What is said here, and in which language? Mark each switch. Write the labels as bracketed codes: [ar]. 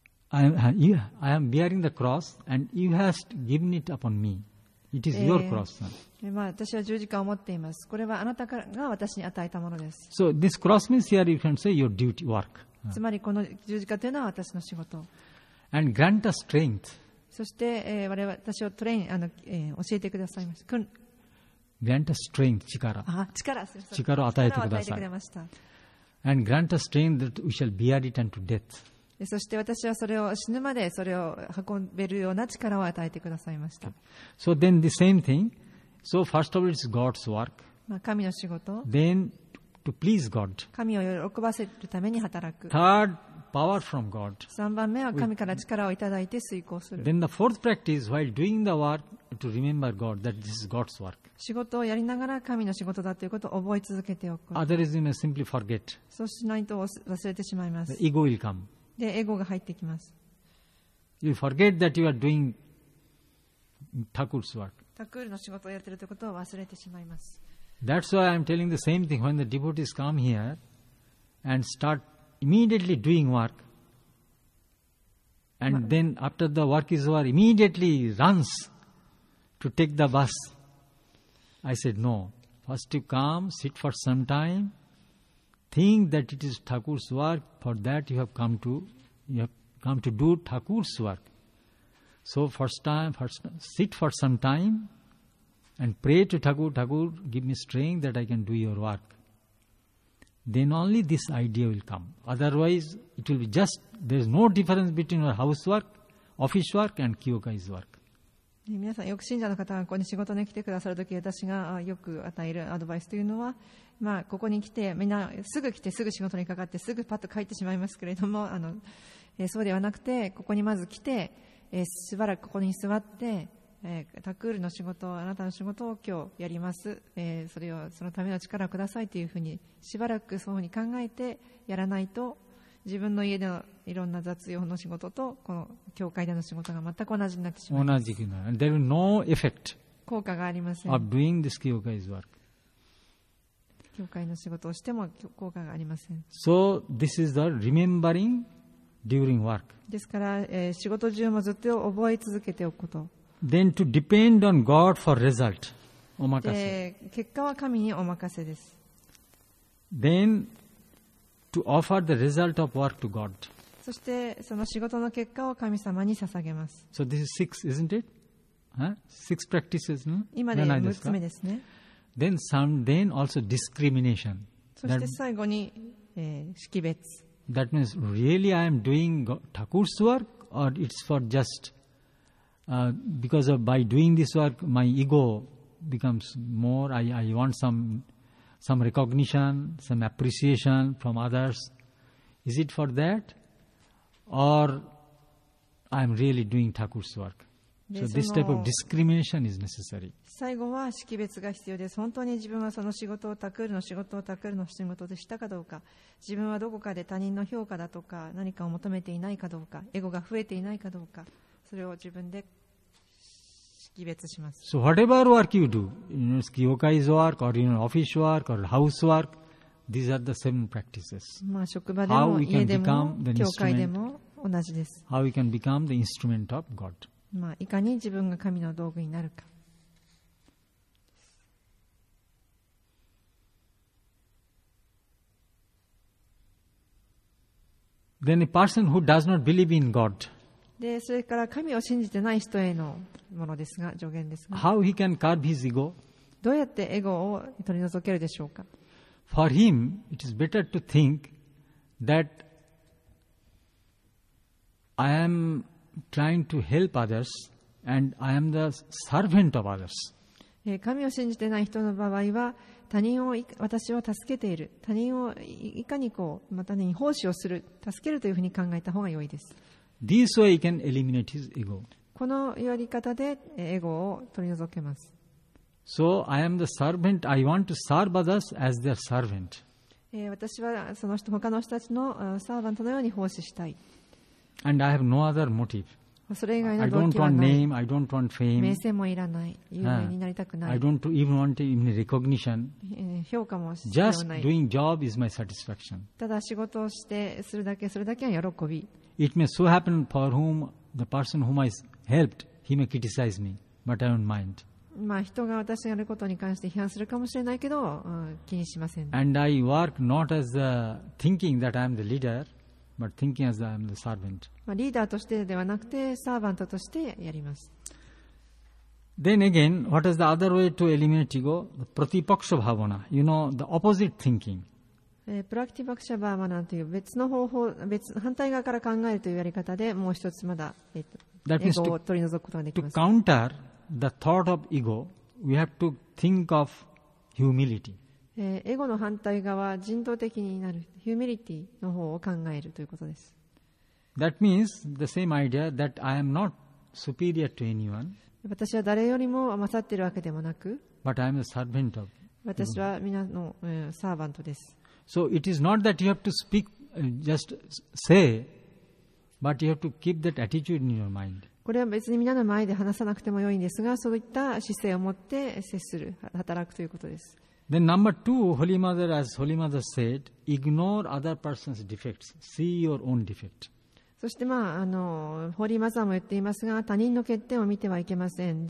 [en] I am bearing the cross and you have given it upon me. It is your cross. [ja] 私は十字架を持っています。これはあなたが私に与えたものです。 [en] So this cross means here you can say your duty work. [ja] つまりこの十字架というのは私の仕事。 [en] And grant us strength. [ja] そして、我々、私をトレイン、教えてくださいました。 [en] Grant us strength, 力。 [ja] 力を与えてください。 [en] And grant us strength that we shall bear it unto death. [ja] そして私はそれを死ぬまでそれを運べるような力を与えてくださいました。 [en] So then the same thing. So first of all, it's God's work. [ja] 神の仕事。 [en] Then to please God. [ja] 神を喜ばせるために働く。 [en] Third, power from God. [ja] 3番目は神から力をいただいて遂行する。 [en] Then the fourth practice, while doing the work,To remember God, that this is God's work. [ja] 仕事をやりながら神の仕事だということを覚え続けておく。 [en] Otherwise, you may simply forget. [ja] そうしないと忘れてしまいます。 [en] The ego will come. [ja] で、エゴが入ってきます。 [en] You forget that you are doing Thakur's work. [ja] Thakurの仕事をやっているということを忘れてしまいます。 [en] That's why I'm telling the same thing when the devotees come here and start immediately doing work. And then after the work is over, immediately runs. To take the bus. I said, no. First you come, sit for some time. Think that it is Thakur's work. For that you have come to do Thakur's work. So sit for some time and pray to Thakur, Thakur, give me strength that I can do your work. Then only this idea will come. Otherwise, it will be just, there is no difference between your housework, office work and Kyokai's work. [ja] 皆さんよく信者の方がここに仕事に来てくださるとき私がよく与えるアドバイスというのは、まあ、ここに来てみんなすぐ来てすぐ仕事にかかってすぐパッと帰ってしまいますけれどもそうではなくてここにまず来て、しばらくここに座って、タクールの仕事をあなたの仕事を今日やります、それをそのための力をくださいというふうにしばらくそういうふうに考えてやらないと自分の家でのいろんな雑用の仕事とこの教会での仕事が全く同じになってしまいます。同じくなる。 [en] There is no effect. [ja] 効果がありません。 [en] Of doing this 教会 's work. [ja] 教会の仕事をしても効果がありません。 [en] So this is the remembering during work. [ja] ですから、仕事中もずっと覚え続けておくこと。 [en] Then to depend on God for result. お任せ。 [ja] 結果は神にお任せです。 [en] Then. To offer the result of work to God. [ja] そしてその仕事の結果を神様に捧げます。 [en] So this is six, isn't it? Six practices, no? [ja] 今で6つ目ですね。 [en] Then also discrimination. [ja] そして最後に、識別。 [en] That means really I am doing Thakur's work or it's for just because of by doing this work my ego becomes more, I want some recognition, some appreciation from others. Is it for that? Or I'm really doing Thakur's work? So this type of discrimination is necessary. [ja] 最後は識別が必要です。本当に自分はその仕事をタクールの仕事をタクールの仕事でしたかどうか、自分はどこかで他人の評価だとか何かを求めていないかどうか、エゴが増えていないかどうか、それを自分で識別します。 [en] So whatever work you do, you know, skyokai's work or you know, office work or house work, these are the same practices. [ja] まあ職場でも家でも教会でも同じです。 [en] How we can become the instrument of God. [ja] まあ、いかに自分が神の道具になるか。 [en] Then a person who does not believe in God. [ja] で、それから神を信じてない人へのものですが、助言ですが。 [en] How he can curb his ego? [ja] どうやってエゴを取り除けるでしょうか。 [en] For him, it is better to think that I am. Trying to help others, and I am the servant of others. [ja] 神を信じてない人の場合は、他人を私は助けている。他人をいかにこうまたに奉仕をする、助けるというふうに考えた方が良いです。 [en] This way he can eliminate his ego. [ja] このやり方でエゴを取り除けます。 [en] So I am the servant. I want to serve others as their servant. [ja] 私はその人他の人たちのサーバントのように奉仕したい。 [en] And I have no other motive. [ja] それ以外の動機はない。 [en] I don't want name. I don't want fame. [ja] 名声もいらない。有名になりたくない。 [en] I don't even want any recognition. [ja] 評価も必要ない。 [en] Just doing job is my satisfaction. [ja] ただ仕事をしてするだけ、それだけは喜び。 [en] It may so happen for whom the person whom I helped, he may criticize me, but I don't mind. [ja] まあ人が私やることに関して批判するかもしれないけど、気にしません。 [en] And I work not as the thinking that I am the leader. But thinking as I am the servant. [ja] リーダーとしてではなくてサーバントとしてやります。 [en] Then again, what is the other way to eliminate ego? The pratipaksha bhavana. You know, the opposite thinking. [ja] プラティパクシャバーバナという別の方法、別反対側から考えるというやり方でもう一つまだ、エゴを取り除くことができます。 [en] To counter the thought of ego, we have to think of humility. [ja] エゴの反対側は人道的になる、ヒューミリティの方を考えるということです。 [en] That means the same idea that I am not superior to anyone. [ja] 私は誰よりも勝っているわけでもなく、 [en] But I am a servant of. [ja] 私は皆のサーバントです。 [en] So it is not that you have to speak, just say, but you have to keep that attitude in your mind. [ja] これは別に皆の前で話さなくてもよいんですが、そういった姿勢を持って接する、働くということです。 [en] Then number two, Holy Mother, as Holy Mother said, ignore other person's defects. See your own defect. [ja] そして、まあ、ホーリーマザーも言っていますが、他人の欠点を見てはいけません。